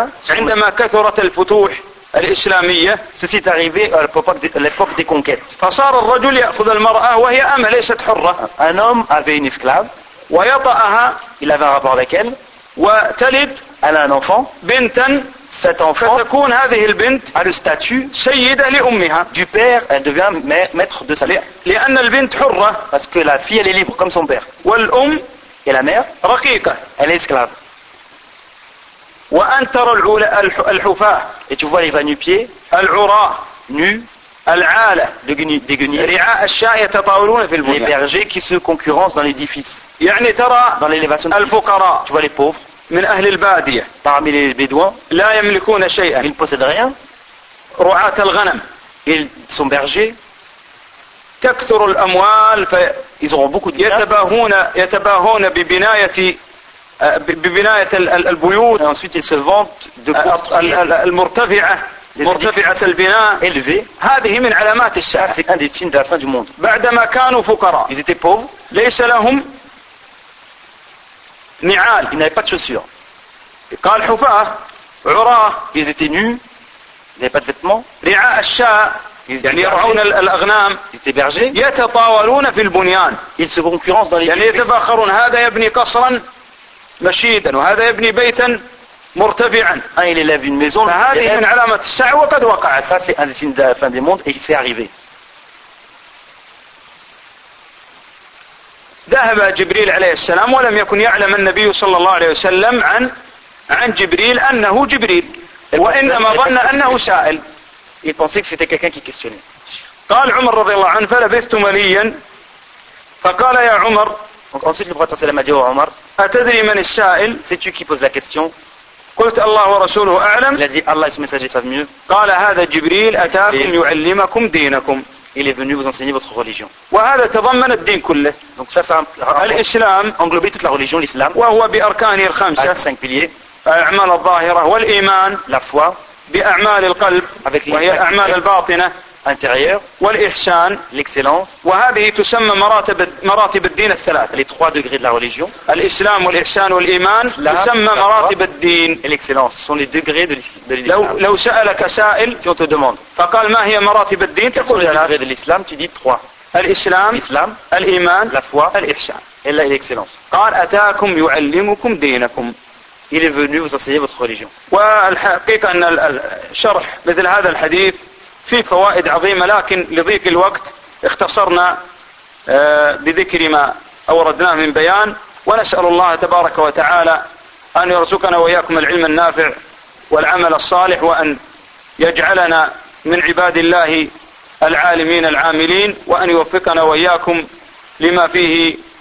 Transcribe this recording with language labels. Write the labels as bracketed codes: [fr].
[ar] عندما كثرت الفتوح الإسلامية. [fr] ceci est arrivé à l'époque des conquêtes. [ar] فصار الرجل يأخذ المرأة وهي أم ليست حرة. [fr] un homme avait une esclave. [ar] ويطأها. [fr] il avait un rapport avec elle. [ar] وتلد. [fr] elle a un enfant. [ar] بنتا. [fr] cet enfant. [ar] فتكون هذه البنت. [fr] a le statut. [ar] سيدة لأمها. [fr] du père elle devient maître de sa mère. [ar] لأن البنت حرة. [fr] parce que la fille elle est libre comme son père. [ar] والأم. [fr] et la mère. [ar] رقيقة. [fr] elle est esclave. [ar] وأن ترى الحفاة [fr] et tu vois les va-nu-pieds [ar] العراة [fr] nu [ar] العالة [fr] des guenilles [ar] رعاء الشاة يتطاولون في البنيان [fr] les bergers qui se concurrencent dans l'édifice [ar] يعني ترى [fr] dans l'élévation [ar] الفقراء [fr] tu vois les pauvres [ar] من أهل البادية [fr] parmi les bédouins [ar] لا يملكون شيئا [fr] ils ne possèdent rien [ar] رعاة الغنم [fr] ils sont bergers [ar] تكثر الأموال ف [fr] ils auront beaucoup de biens [ar] يتباهون ببناية ببناية البيوت [fr] et ensuite ils se vantent de construire [ar] مرتفعة البناء [fr] élevé [ar] هذه من علامات الساعة [fr] c'est un des signes de la fin du monde [ar] بعدما كانوا فقراء [fr] ils étaient pauvres [ar] ليس لهم نعال [fr] ils n'avaient pas de chaussures [ar] قال حفاة عراة [fr] ils étaient nus n'avaient pas de vêtements [ar] رعاء الشاة يعني يرعون الأغنام يتطاولون في البنيان [fr] ils se concurrencent dans les [ar] يعني يتفاخرون هذا يبني قصرا مشيدا وهذا يبني بيتا مرتفعا [fr] il élève une maison [ar] هذه من علامة الساعة وقد وقعت [fr] ça c'est un des signes de la fin du monde et c'est arrivé [ar] ذهب جبريل عليه السلام ولم يكن يعلم النبي صلى الله عليه وسلم عن جبريل انه جبريل وانما ظن انه سائل [fr] il pensait que c'était quelqu'un qui questionnait [ar] قال عمر رضي الله عنه فلبثت مليا فقال يا عمر [fr] ensuite le prophète sallam a dit au Omar [ar] أتدري من السائل [fr] c'est tu qui poses la question [ar] قلت الله ورسوله أعلم [fr] il a dit Allah et son messager savent mieux [ar] قال هذا جبريل أتاكم يعلمكم دينكم [fr] il est venu vous enseigner votre religion [ar] وهذا تضمن الدين كله [fr] donc ça ça [ar] الإسلام [fr] englobé toute la religion l'islam [ar] وهو بأركانه الخمسة [fr] à cinq piliers [ar] أعمال الظاهرة والإيمان [fr] la foi [ar] بأعمال القلب [fr] avec [ar] وهي أعمال الباطنة [fr] intérieur [ar] والإحسان [fr] l'excellence [ar] وهذه تسمى مراتب الدين الثلاث [fr] les trois degrés de la religion [ar] الإسلام والإحسان والإيمان [fr] Islam, [ar] تسمى مراتب الدين [fr] l'excellence sont les degrés de l'islam [ar] لو سألك سائل [fr] si on te demande [ar] فقال ما هي مراتب الدين تقول [fr] les degrés de l'islam tu dis trois [ar] الإسلام [fr] l'islam [ar] الإيمان [fr] la foi [ar] الإحسان [fr] et l'excellence [ar] قال أتاكم يعلمكم دينكم [fr] il est venu vous enseigner votre religion [ar] والحقيقة أن الشرح مثل هذا الحديث في فوائد عظيمة لكن لضيق الوقت اختصرنا بذكر ما أوردناه من بيان ونسأل الله تبارك وتعالى أن يرزقنا وإياكم العلم النافع والعمل الصالح وأن يجعلنا من عباد الله العالمين العاملين وأن يوفقنا وإياكم لما فيه